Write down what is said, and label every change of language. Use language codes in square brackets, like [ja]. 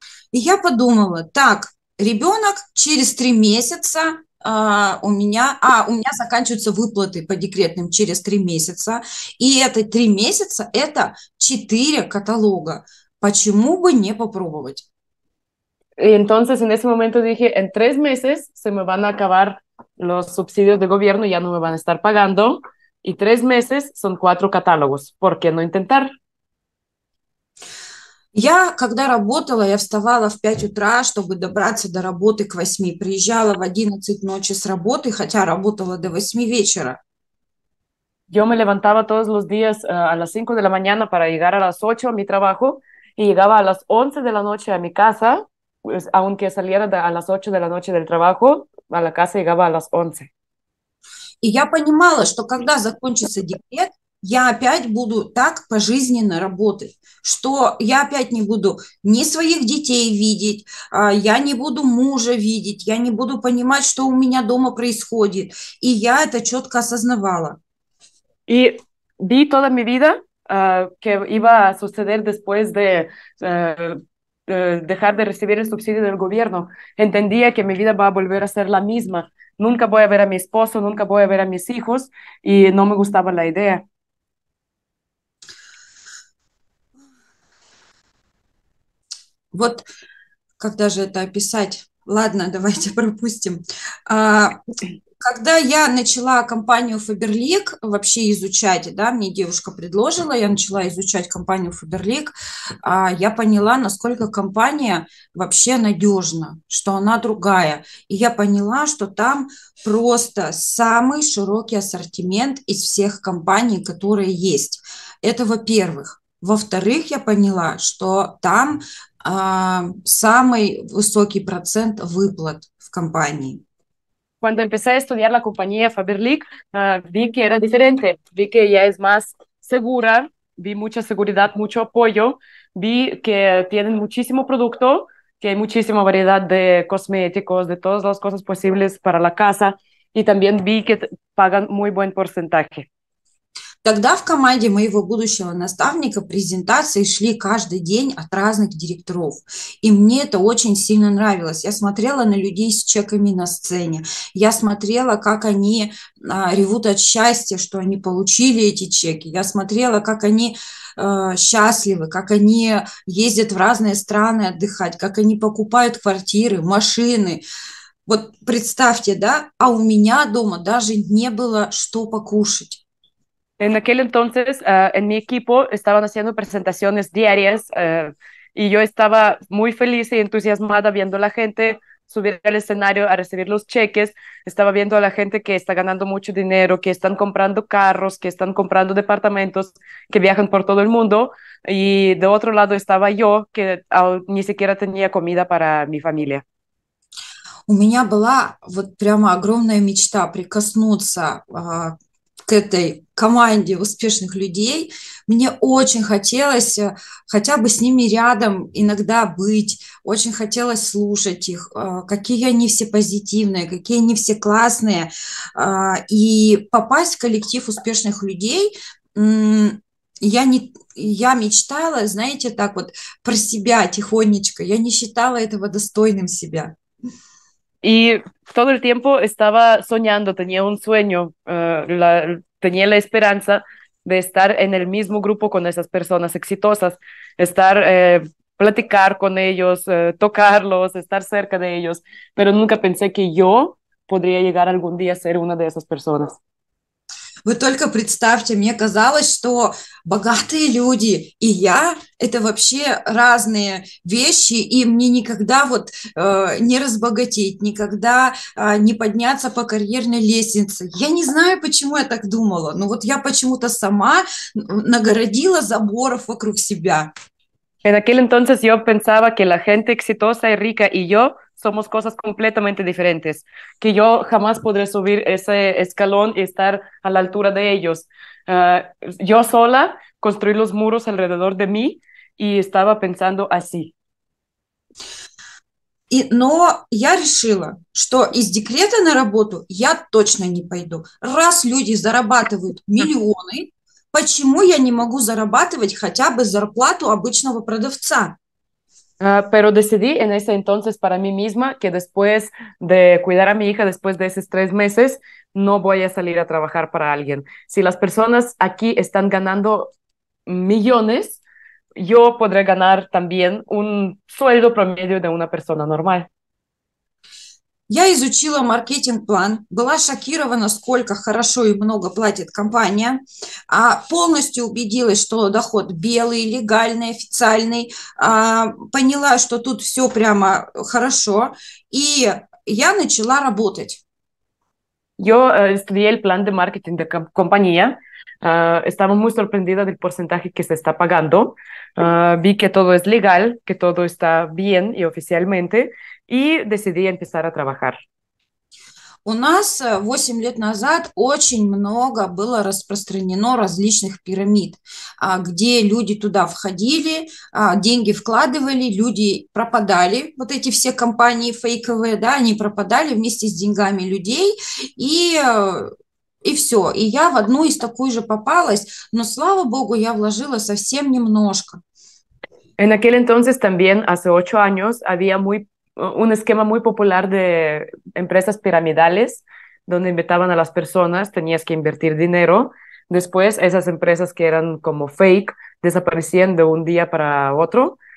[ru] И я подумала, так, ребенок через 3 месяца у меня заканчиваются выплаты по декретным через 3 месяца, и это 3 месяца, это 4 каталога. Почему бы не попробовать? [es] Y entonces en ese momento dije, en 3 meses se me van a acabar los subsidios de gobierno, ya no me van a estar pagando. Y 3 meses son 4 catálogos. ¿Por qué no intentar? [ru] Я, когда работала, я вставала в 5 утра, чтобы добраться до работы к 8. Приезжала в 11 ночи с работы, хотя работала до 8 вечера. [es] Yo me levantaba todos los días a las 5 de la mañana para llegar a las 8 a mi trabajo y llegaba a las 11 de la noche a mi casa, pues, aunque saliera a las 8 de la noche del trabajo, a la casa llegaba a las 11. [ru] И я понимала, что когда закончится декрет, я опять буду так пожизненно работать, что я опять не буду ни своих детей видеть, я не буду мужа видеть, я не буду понимать, что у меня дома происходит. И я это четко осознавала. И [es] vi toda mi vida que iba a suceder después de dejar de recibir el subsidio del gobierno. Entendía que mi vida va a volver a ser la misma. Nunca voy a ver a mi esposo, nunca voy a ver a mis hijos, y no me gustaba la idea. [ru] Вот, когда же это описать? Ладно, давайте пропустим. Когда я начала компанию Faberlic вообще изучать, да, мне девушка предложила, я начала изучать компанию Faberlic, я поняла, насколько компания вообще надежна, что она другая. И я поняла, что там просто самый широкий ассортимент из всех компаний, которые есть. Это во-первых. Во-вторых, я поняла, что там самый высокий процент выплат в компании. [es] Cuando empecé a estudiar la compañía Faberlic, vi que era diferente, vi que ya es más segura, vi mucha seguridad, mucho apoyo, vi que tienen muchísimo producto, que hay muchísima variedad de cosméticos, de todas las cosas posibles para la casa, y también vi que pagan muy buen porcentaje. [ru] Тогда в команде моего будущего наставника презентации шли каждый день от разных директоров. И мне это очень сильно нравилось. Я смотрела на людей с чеками на сцене. Я смотрела, как они ревут от счастья, что они получили эти чеки. Я смотрела, как они счастливы, как они ездят в разные страны отдыхать, как они покупают квартиры, машины. Вот представьте, да, а у меня дома даже не было что покушать. [es] En aquel entonces, en mi equipo estaban haciendo presentaciones diarias y yo estaba muy feliz y entusiasmada viendo a la gente subir al escenario a recibir los cheques. Estaba viendo a la gente que está ganando mucho dinero, que están comprando carros, que están comprando departamentos, que viajan por todo el mundo. Y de otro lado estaba yo, que ni siquiera tenía comida para mi familia. [ru] У меня была вот прямо огромная мечта прикоснуться к этой команде успешных людей. Мне очень хотелось хотя бы с ними рядом иногда быть, очень хотелось слушать их, какие они все позитивные, какие они все классные. И попасть в коллектив успешных людей, я мечтала, знаете, так вот про себя тихонечко, я не считала этого достойным себя. [es] Y todo el tiempo estaba soñando, tenía un sueño, tenía la esperanza de estar en el mismo grupo con esas personas exitosas, estar, platicar con ellos, tocarlos, estar cerca de ellos, pero nunca pensé que yo podría llegar algún día a ser una de esas personas. [ru] Вы только представьте, мне казалось, что богатые люди и я – это вообще разные вещи, и мне никогда вот не разбогатеть, никогда не подняться по карьерной лестнице. Я не знаю, почему я так думала, но вот я почему-то сама нагородила заборов вокруг себя. [es] En aquel entonces yo pensaba que la gente exitosa y rica y yo somos cosas completamente diferentes, que yo jamás podré subir ese escalón y estar a la altura de ellos. Yo sola construí los muros alrededor de mí y estaba pensando así. [ru] Но я решила, что из декрета на работу я точно не пойду. Раз люди зарабатывают миллионы, почему я не могу зарабатывать хотя бы зарплату обычного продавца? [es] Pero decidí en ese entonces para mí misma que después de cuidar a mi hija, después de esos 3 meses, no voy a salir a trabajar para alguien. Si las personas aquí están ganando millones, yo podré ganar también un sueldo promedio de una persona normal. [ru] Я изучила маркетинг-план, была шокирована, сколько хорошо и много платит компания, а полностью убедилась, что доход белый, легальный, официальный, поняла, что тут все прямо хорошо, и я начала работать. [es] Yo estudié el plan de marketing de compañía. Estaba muy sorprendida del porcentaje que se está pagando. Vi que todo es legal, que todo está bien y oficialmente. [ru] И [es] decidí empezar a trabajar. [ru] У нас 8 лет назад очень много было распространено различных пирамид, где люди туда входили, деньги вкладывали, люди пропадали, вот эти все компании фейковые, да, они пропадали вместе с деньгами людей, и все. И я в одну из такой же попалась, но, слава богу, я вложила совсем немножко. [es] En aquel entonces también, hace 8 años, había muy un esquema muy popular de empresas piramidales, donde invitaban a las personas, tenías que invertir dinero. Después, esas empresas que eran como fake desaparecían de un día para otro.